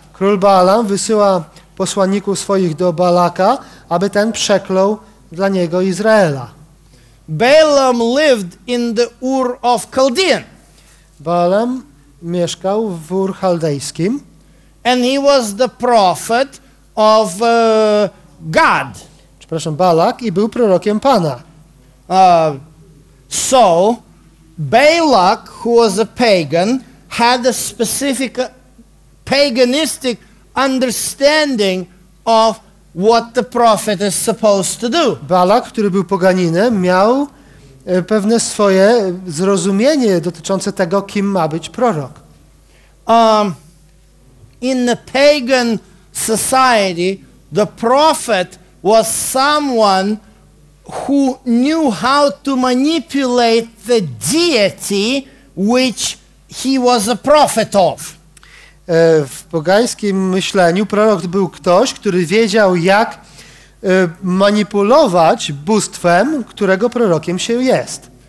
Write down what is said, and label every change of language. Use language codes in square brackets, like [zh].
[pl] Król Balaam wysyła posłanników swoich do Balaka, aby ten przeklął dla niego Izraela. [en] Balaam lived in the Ur of Chaldean. [pl] Balaam mieszkał w Ur Chaldejskim. [en] And he was the prophet of God. [pl] Przepraszam, Balak i był prorokiem Pana. [en] So Balak, who was a pagan, had a specific paganistic understanding of what the prophet is supposed to do. [pl] Balak, który był poganinem, miał pewne swoje zrozumienie dotyczące tego, kim ma być prorok. [en] In the pagan society, the prophet was someone who knew how to manipulate the deity which he was a prophet of. [pl] W pogańskim myśleniu prorok był ktoś, który wiedział, jak manipulować bóstwem, którego prorokiem się jest.